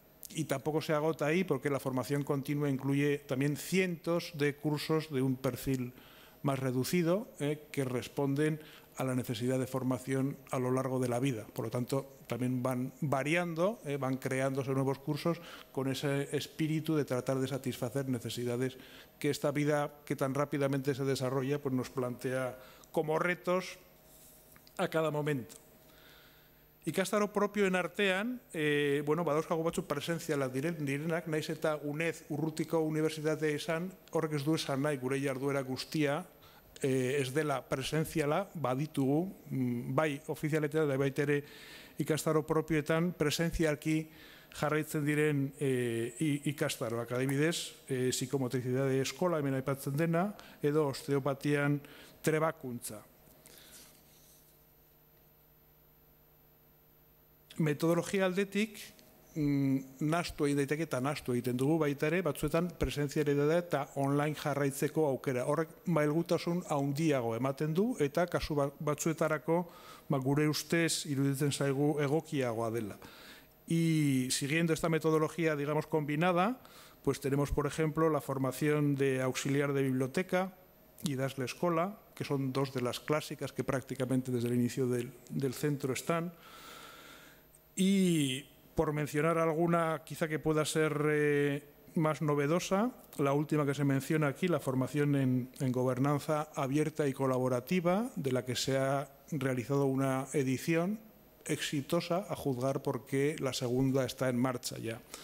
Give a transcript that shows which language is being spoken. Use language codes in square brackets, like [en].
[es] Y tampoco se agota ahí porque la formación continua incluye también cientos de cursos de un perfil más reducido que responden a la necesidad de formación a lo largo de la vida. Por lo tanto, también van variando, van creándose nuevos cursos con ese espíritu de tratar de satisfacer necesidades que esta vida que tan rápidamente se desarrolla pues nos plantea como retos a cada momento. [eu] Ikastaro propio en artean, bueno, badauzkagu batzu presentzialak direnak, naiz eta UNED urrutiko unibertsitatea izan, horrek ez du esan nahi gure jarduera guztia, ez dela presentziala, baditugu, bai ofizialetan eta bai ere ikastaro propioetan presentzialki jarraitzen diren ikastaroak, adibidez, psikomotrizitate eskola hemen aipatzen dena, edo osteopatian trebakuntza. Metodologia aldetik nastu egin daiteke eta nastu egiten dugu baita ere, batzuetan presentzialitatea eta online jarraitzeko aukera. Horrek mailgutasun handiago ematen du eta kasu batzuetarako gure ustez iruditzen zaigu egokiagoa dela. [es] Y siguiendo esta metodología, digamos, combinada, pues tenemos, por ejemplo, la formación de auxiliar de biblioteca y dasle escola, que son dos de las clásicas que prácticamente desde el inicio del centro están. Y por mencionar alguna quizá que pueda ser más novedosa, la última que se menciona aquí, la formación en gobernanza abierta y colaborativa, de la que se ha realizado una edición exitosa a juzgar porque la segunda está en marcha ya.